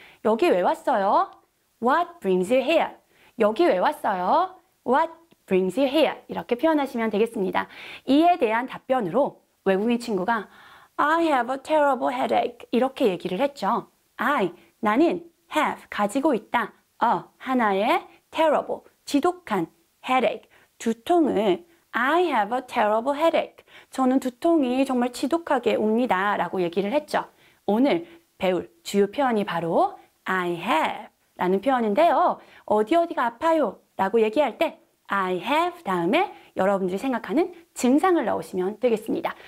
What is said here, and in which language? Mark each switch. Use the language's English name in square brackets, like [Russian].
[Korean] 여기 왜 왔어요? [English] What brings you here? [Korean] 여기 왜 왔어요? [English] What brings you here? [Korean] 이렇게 표현하시면 되겠습니다. 이에 대한 답변으로 외국인 친구가 [English] I have a terrible headache. [Korean] 이렇게 얘기를 했죠. 나는 have, 가지고 있다. [English] 하나의 terrible, 지독한 headache, 두통을 I have a terrible headache. [Korean] 저는 두통이 정말 지독하게 옵니다. 라고 얘기를 했죠. 오늘 배울 주요 표현이 바로 I have 라는 표현인데요. 어디가 아파요? 라고 얘기할 때 I have 다음에 여러분들이 생각하는 증상을 넣으시면 되겠습니다.